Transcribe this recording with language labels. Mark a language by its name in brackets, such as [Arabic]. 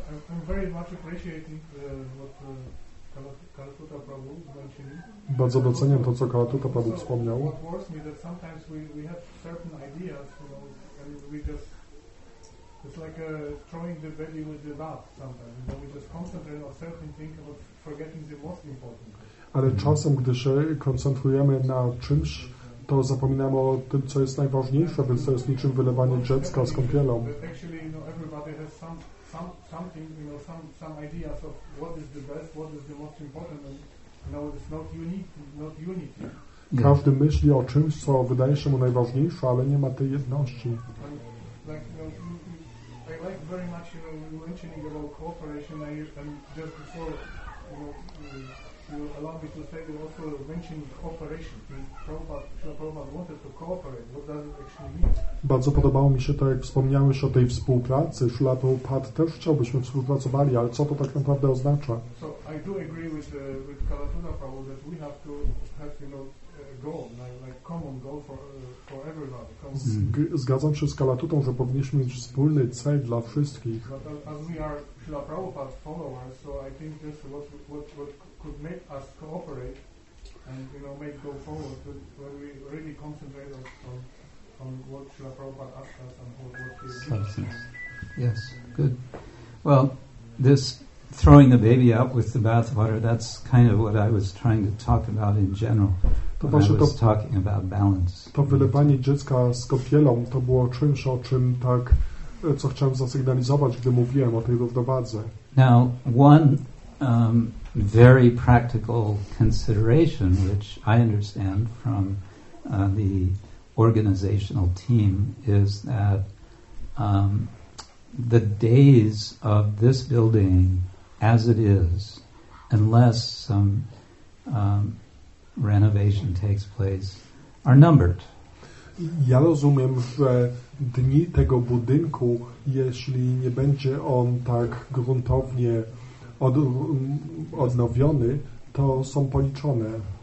[English] I'm very much appreciating what Kalatuta Prabhu mentioned. [Polish] Bardzo doceniam to, co Kalatuta Prabhu wspomniał. [English] What worries me that sometimes we have certain ideas, you know, and we just, it's like throwing the baby with the bath sometimes, you know, we just concentrate on certain things about forgetting the most important. [Polish] Ale czasem, gdy się koncentrujemy na czymś, to zapominamy o tym, co jest najważniejsze, więc to jest niczym wylewanie dziecka z kąpielą. [English] Actually, you know, everybody has some ideas of what is the best, what is the most important, and you know, it's not unique, not unity. [Polish] Każdy myśli o czymś, co wydaje się mu najważniejsze, ale nie ma tej jedności. [English] I like very much, you know, you mentioning about cooperation, and just before, you know, you allow me to say, you also mentioned cooperation. Prabhupada wanted to cooperate. What does it actually mean? [Polish] Bardzo podobało mi się to, jak wspomniałeś o tej współpracy. Srila Prabhupada też chciałbyśmy współpracowali, ale co to tak naprawdę oznacza? [English] So I do agree with Kalatuta Prabhu that we have to have, you know, goal, like common goal for everybody. [Polish] Zgadzam się z Kalatutą, że powinniśmy mieć wspólny cel dla wszystkich. [English] But as we are Srila Prabhupada's followers, so I think this is what could make us cooperate and, you know, make go forward when we really concentrate on what Srila Prabhupada asked us and what he did. Yes, good. Well, this throwing the baby out with the bathwater, that's kind of what I was trying to talk about in general when I was talking about balance. [Polish] To wylewanie dziecka z kopielą, to było czymś, o czym tak, co chciałem zasygnalizować, gdy mówiłem o tej równowadze. [English] Now, one very practical consideration, which I understand from the organizational team, is that the days of this building as it is, unless some renovation takes place, are numbered. [Polish] Ja rozumiem, że dni tego budynku, jeśli nie będzie on tak gruntownie odnowiony, to są policzone.